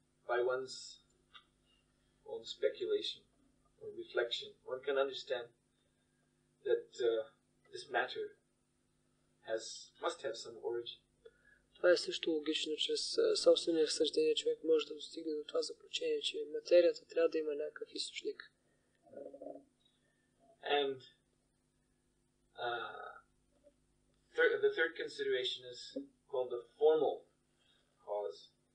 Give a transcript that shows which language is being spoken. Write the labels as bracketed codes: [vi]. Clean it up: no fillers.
[en] By one's own speculation or reflection, one can understand that this matter must have some origin. [bg] Това е също логично, чрез собствения разсъждение човек може да достигне до това заключение, че материята трябва да има някакъв източник. [en] And the third consideration is called the formal cause.